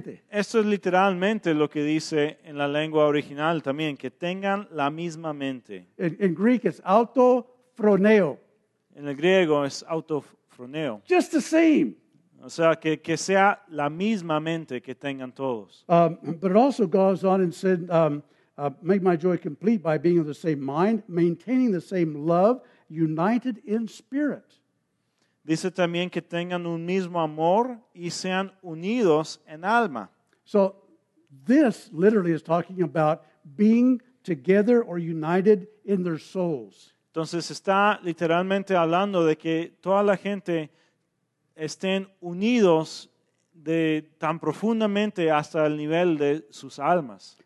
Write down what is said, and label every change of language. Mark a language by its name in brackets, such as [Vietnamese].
[Spanish] Esto es literalmente lo que dice en la lengua original también, que tengan la misma mente. [English] In Greek it's autofroneo. [Spanish] En el griego es autofroneo. [English] Just the same. [Spanish] O sea, que sea la misma mente que tengan todos. [English] But it also goes on and said, make my joy complete by being of the same mind, maintaining the same love, united in spirit. [Spanish] Dice también que tengan un mismo amor y sean unidos en alma. [English] So, this literally is talking about being together or united in their souls. [Spanish] Entonces, está literalmente hablando de que toda la gente estén unidos de tan profundamente hasta el nivel de sus almas.